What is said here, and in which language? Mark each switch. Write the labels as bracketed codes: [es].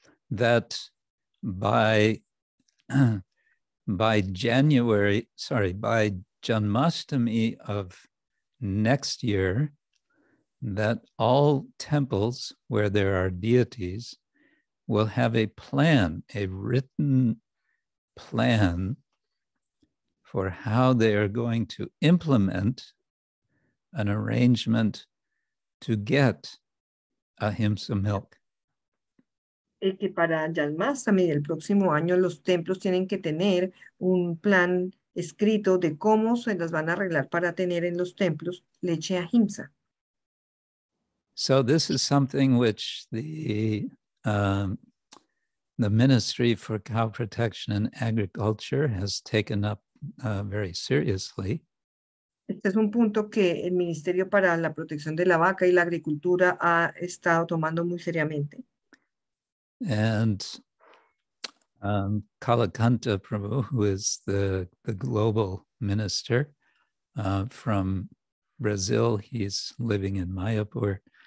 [en] That by January, sorry, by Janmashtami of next year, that all temples where there are deities will have a plan, a written plan for how they are going to implement an arrangement to get ahimsa milk. [es] Y que para Yalmaz también el próximo año los templos tienen que tener un plan escrito de cómo se las van a arreglar para tener en los templos leche ahimsa. [en] So this is something which the Ministry for Cow Protection and Agriculture has taken up very seriously. [es] Este es un punto que el Ministerio para la Protección de la Vaca y la Agricultura ha estado tomando muy seriamente. [en] And Kalakanta Prabhu, who is the global minister from Brazil, he's living in Mayapur.